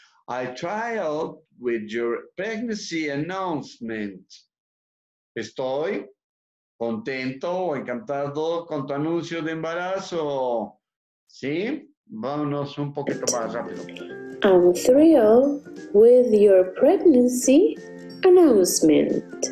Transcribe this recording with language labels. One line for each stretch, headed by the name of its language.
English: I thrilled with your pregnancy announcement.
Spanish: Estoy contento o encantado con tu anuncio de embarazo. ¿Sí? Vámonos un poquito más rápido.
English: I'm thrilled with your pregnancy announcement.